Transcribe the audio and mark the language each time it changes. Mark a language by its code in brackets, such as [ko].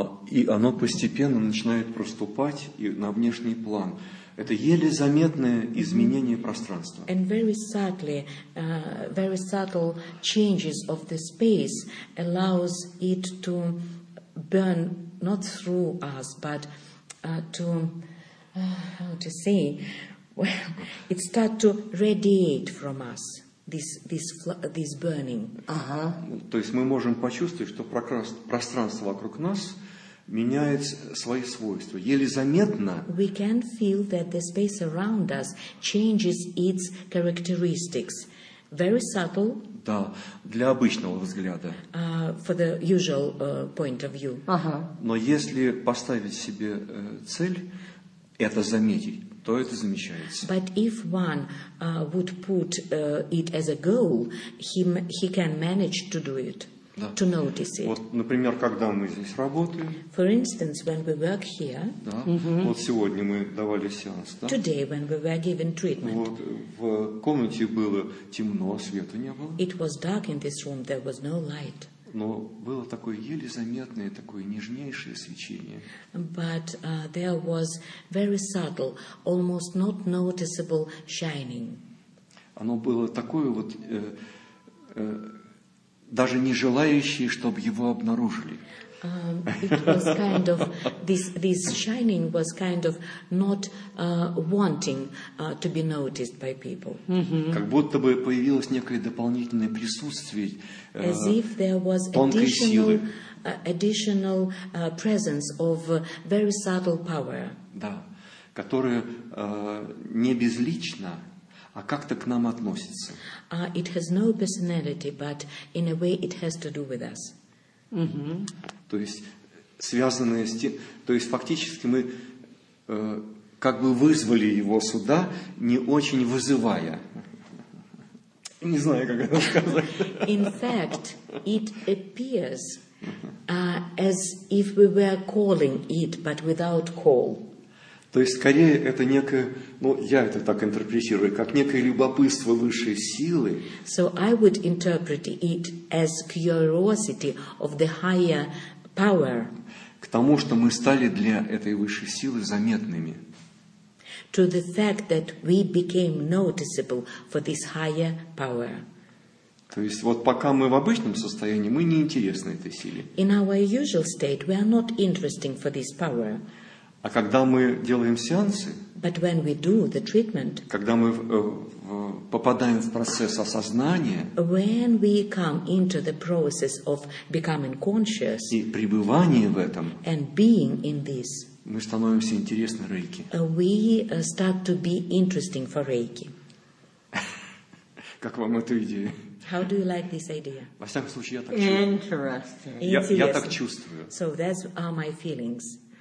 [ru] И оно постепенно начинает проступать и на внешний план. Это еле заметное изменение пространства. [en] And very subtly, very subtle changes of the space allows it to burn not through us, but to how to say, well, it start to radiate from us. This burning. [ru] То есть мы можем почувствовать, что пространство вокруг нас меняет свои свойства. Еле заметно. [en] We can feel that the space around us changes its characteristics. Very subtle. [ru] Да, для обычного взгляда. [en] For the usual point of view. [ru] Но если поставить себе цель, это заметить. То это замечается. [en] But if one would put it as a goal, he can manage to do it, [ru] да. [en] To notice it. [ru] Вот, например, когда мы здесь работаем. [en] For instance, when we work here. [ru] Да. Вот сегодня мы давали сеанс, да? [en] Today, when we were given treatment. [ru] Вот, в комнате было темно, света не было. [en] It was dark in this room, there was no light. [ru] Но было такое еле заметное, такое нежнейшее свечение. [en] But there was very subtle, almost not noticeable shining. [ru] Оно было такое вот, даже не желающее, чтобы его обнаружили. [en] It was kind of, this shining was kind of not wanting to be noticed by people. [ru] Как будто бы появилось некое дополнительное присутствие [en] As if there was additional presence of very subtle power. [ru] Да, которое не безлично, а как-то к нам относится. [en] It has no personality, but in a way it has to do with us. [ru] То есть связанные с тем, то есть фактически мы как бы вызвали его сюда, не очень вызывая. Не знаю, как это сказать. [en] In fact, it appears as if we were calling it, but without call. [ru] То есть, скорее, это некое, ну, я это так интерпретирую, как некое любопытство высшей силы. [en] So I would interpret it as curiosity of the higher power. [ru] К тому, что мы стали для этой высшей силы заметными. [en] To the fact that we became noticeable for this higher power. [ru] То есть, вот пока мы в обычном состоянии, мы не интересны этой силе. [en] In our usual state, we are not interesting for this power. [ru] А когда мы делаем сеансы, [en] but when we do the treatment, [ru] когда мы попадаем в процесс осознания, [en] when we come into the process of becoming conscious, [ru] и пребывание в этом, [en] and being in this, [ru] мы становимся интересны Рейки. [en] We start to be interesting for Reiki. [ru] Как вам эта идея? [en] How do you like this idea? [ru] Во всяком случае, я так чувствую. [en] Interesting. [ru] Я так чувствую. [en] So that's are my feelings.